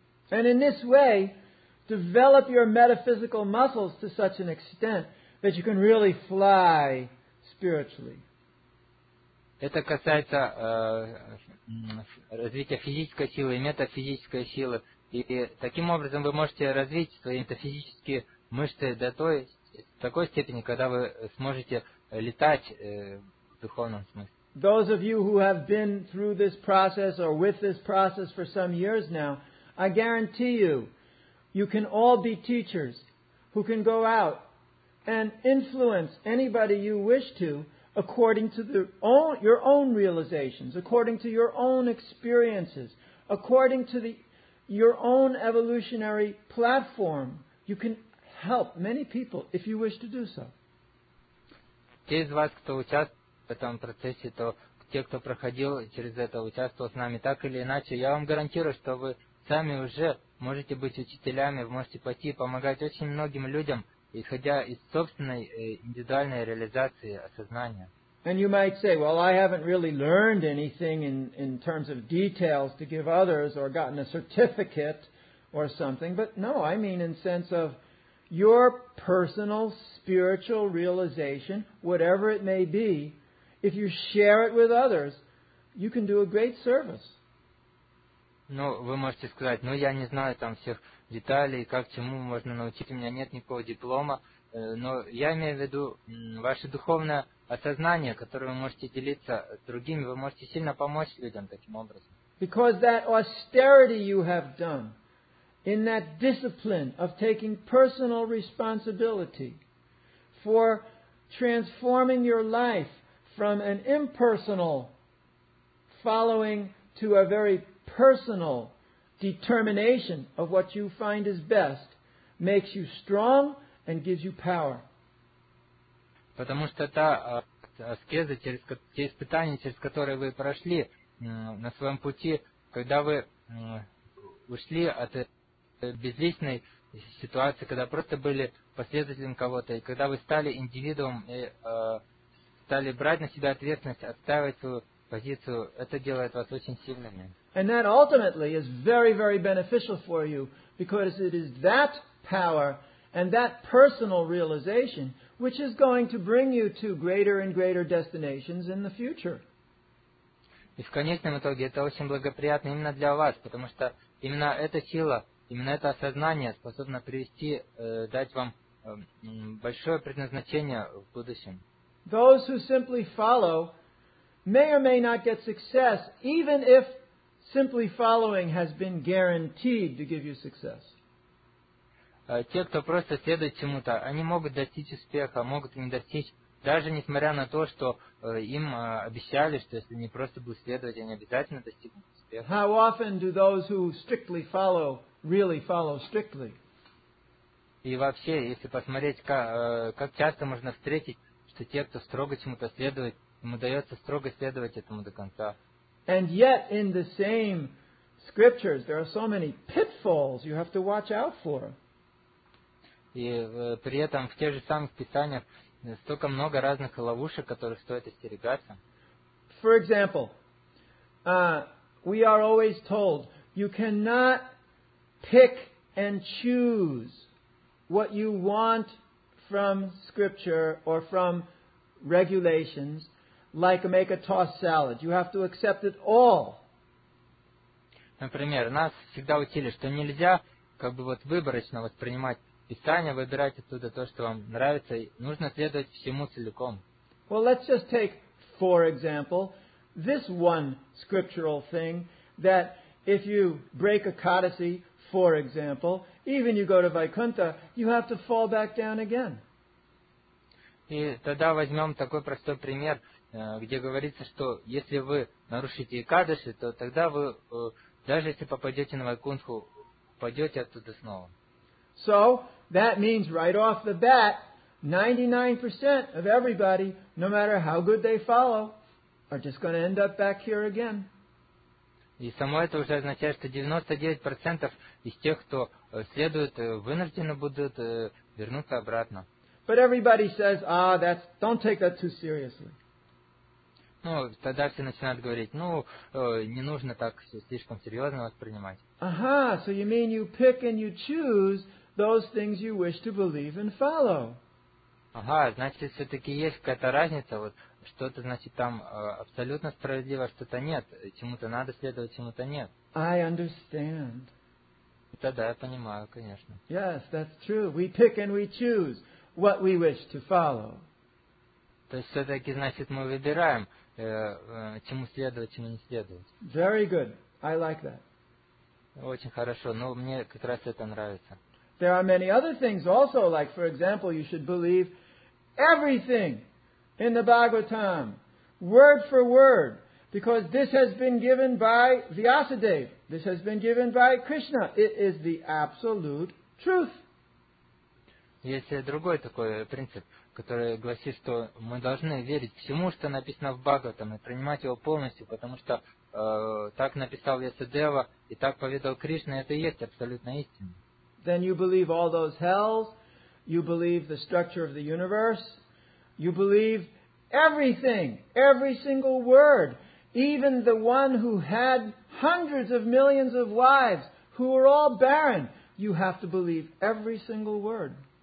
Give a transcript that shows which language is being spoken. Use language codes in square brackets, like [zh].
[en] And in this way, develop your metaphysical muscles to such an extent that you can really fly spiritually. [ru] Это касается развития физической силы и метафизической силы. И таким образом вы можете развить свои метафизические мышцы до такой степени, когда вы сможете летать в духовном смысле. [en] Those of you who have been through this process or with this process for some years now, I guarantee you, you can all be teachers who can go out and influence anybody you wish to according to your own realizations, according to your own experiences, according to your own evolutionary platform. You can help many people if you wish to do so. [ru] В этом процессе, то те, кто проходил через это, участвовал с нами, так или иначе, я вам гарантирую, что вы сами уже можете быть учителями, вы можете пойти помогать очень многим людям, исходя из собственной индивидуальной реализации осознания. [en] And you might say, well, I haven't really learned anything in terms of details to give others or gotten a certificate or something, but no, I mean in sense of your personal spiritual realization, whatever it may be, if you share it with others, you can do a great service. [ru] Ну, вы можете сказать, ну, я не знаю там всех деталей, как чему можно научить, у меня нет никакого диплома, но я имею в виду ваше духовное осознание, которое вы можете делиться с другими, вы можете сильно помочь людям таким образом. [en] Because that austerity you have done in that discipline of taking personal responsibility for transforming your life from an impersonal following to a very personal determination of what you find is best, makes you strong and gives you power. [ru] Потому что та аскеза, те испытания, через которые вы прошли на своем пути, когда вы ушли от безличной ситуации, когда просто были последователем кого-то, и когда вы стали индивидуумом и стали брать на себя ответственность, отстаивать свою позицию, это делает вас очень сильными. [en] And that ultimately is very, very beneficial for you, because it is that power and that personal realization which is going to bring you to greater and greater destinations in the future. [ru] И в конечном итоге это очень благоприятно именно для вас, потому что именно эта сила, именно это осознание способно привести, дать вам большое предназначение в будущем. [en] Those who simply follow may or may not get success, even if simply following has been guaranteed to give you success. [ru] Те, кто просто следует чему-то, они могут достичь успеха, могут не достичь, даже несмотря на то, что им обещали, что если они просто будут следовать, они обязательно достигнут успеха. [en] How often do those who strictly follow really follow strictly? [ru] И вообще, если посмотреть, как часто можно встретить, что те, кто строго чему-то следует, им удается строго следовать этому до конца. [en] And yet in the same scriptures there are so many pitfalls you have to watch out for. [ru] И при этом в тех же самых писаниях столько много разных ловушек, которых стоит остерегаться. [en] For example, we are always told you cannot pick and choose what you want from scripture or from regulations like make a tossed salad. You have to accept it all. [ru] Например, нас всегда учили, что нельзя как бы вот выборочно воспринимать Писание, выбирать оттуда то, что вам нравится, и нужно следовать всему целиком. [en] Well, let's just take, for example, this one scriptural thing, that if you break a codicil, for example, even you go to Vaikuntha, you have to fall back down again. [ru] И тогда возьмем такой простой пример, где говорится, что если вы нарушите кадыши, то тогда вы, даже если попадете на Вайкунтху, пойдете оттуда снова. [en] So, that means right off the bat, 99% of everybody, no matter how good they follow, are just going to end up back here again. [ru] И само это уже означает, что 99% из тех, кто следует, вынуждены будут вернуться обратно. [en] But everybody says, ah, that's, don't take that too seriously. [ru] Ну, тогда все начинают говорить, ну, не нужно так слишком серьезно воспринимать. [en] Ага, so you mean you pick and you choose those things you wish to believe and follow. [ru] Ага, значит, все-таки есть какая-то разница, вот что-то значит там абсолютно справедливо, что-то нет, чему-то надо следовать, чему-то нет. [en] I understand. [ru] Тогда я понимаю, конечно. [en] Yes, that's true. We pick and we choose what we wish to follow. [ru] То есть все-таки значит мы выбираем, чему следовать, чему не следовать. [en] Very good. I like that. [ru] Очень хорошо. Ну, мне как раз это нравится. [en] There are many other things also, like, for example, you should believe everything in the Bhagavatam, word for word, because this has been given by Vyasadeva, this has been given by Krishna. It is the absolute truth. [ru] Есть другой такой принцип, который гласит, что мы должны верить всему, что написано в Бхагаватам, и принимать его полностью, потому что так написал Вьясадева, и так поведал Кришна, это и есть абсолютная истина. [en] Then you believe all those hells, you believe the structure of the universe, you believe everything, every single word, even the one who had hundreds of millions of wives who were all barren, you have to believe every single word.